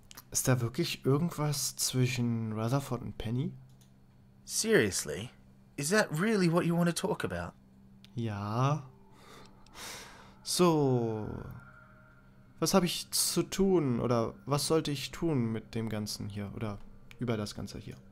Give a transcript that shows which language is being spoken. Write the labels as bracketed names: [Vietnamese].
[German] Ist da wirklich irgendwas zwischen Rutherford und Penny? [English] Seriously? Is that really what you want to talk about? [German] Ja. So. Was habe ich zu tun oder was sollte ich tun mit dem Ganzen hier oder über das Ganze hier?